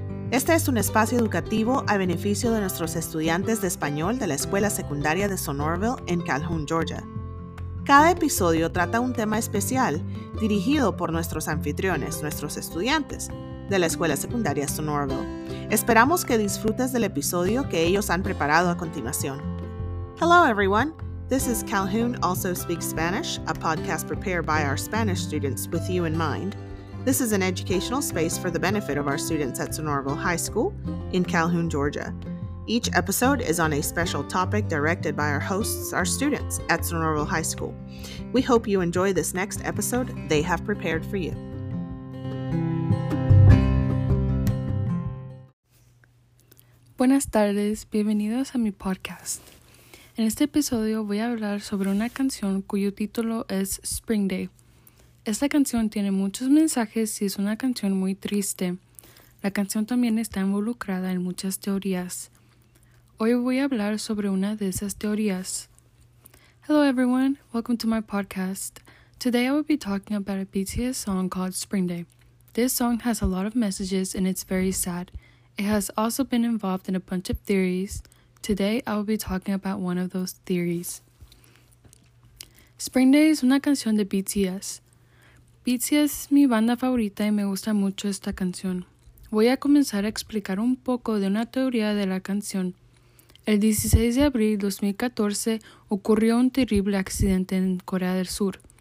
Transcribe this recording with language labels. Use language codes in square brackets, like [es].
[es] Este es un espacio educativo a beneficio de nuestros estudiantes de español de la Escuela Secundaria de Sonorville en Calhoun, Georgia. Cada episodio trata un tema especial dirigido por nuestros anfitriones, nuestros estudiantes de la Escuela Secundaria Sonorville. Esperamos que disfrutes del episodio que ellos han preparado a continuación. [en] Hello everyone. This is Calhoun Also Speaks Spanish, a podcast prepared by our Spanish students with you in mind. This is an educational space for the benefit of our students at Sonorville High School in Calhoun, Georgia. Each episode is on a special topic directed by our hosts, our students at Sonorville High School. We hope you enjoy this next episode they have prepared for you. [es] Buenas tardes, bienvenidos a mi podcast. En este episodio voy a hablar sobre una canción cuyo título es Spring Day. Esta canción tiene muchos mensajes y es una canción muy triste. La canción también está involucrada en muchas teorías. Hoy voy a hablar sobre una de esas teorías. [en] Hello everyone, welcome to my podcast. Today I will be talking about a BTS song called Spring Day. This song has a lot of messages and it's very sad. It has also been involved in a bunch of theories. Today, I will be talking about one of those theories. [es] Spring Day es una canción de BTS. BTS es mi banda favorita y me gusta mucho esta canción. Voy a comenzar a explicar un poco de una teoría de la canción. El 16 de abril de 2014 ocurrió un terrible accidente en Corea del Sur.